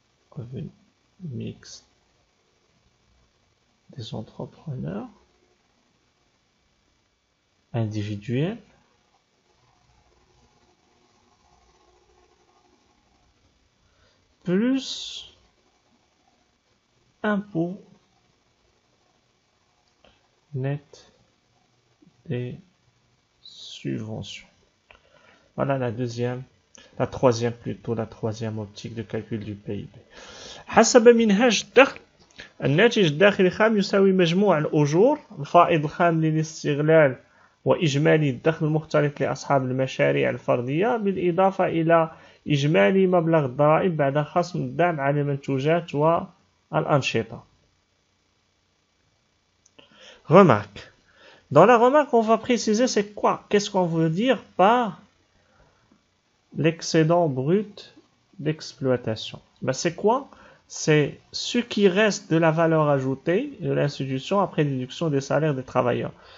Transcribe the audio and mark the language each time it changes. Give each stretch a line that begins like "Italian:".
French: Revenu mixte des entrepreneurs individuels plus impôt net des subventions. Voilà la deuxième. La troisième plutôt, la troisième optique de calcul du PIB.
Arabic: حسب منهج الدخل، الناتج الداخلي الخام يساوي مجموع الأجور، الفائض الخام للاستغلال وإجمالي الدخل المختلط لأصحاب المشاريع الفردية، بالإضافة إلى إجمالي مبلغ الضرائب بعد خصم الدعم على المنتوجات والأنشطة.
French: Remarque. Dans la remarque, on va préciser c'est quoi, qu'est-ce qu'on veut dire par l'excédent brut d'exploitation. Ben c'est quoi? C'est ce qui reste de la valeur ajoutée de l'institution après déduction des salaires des travailleurs.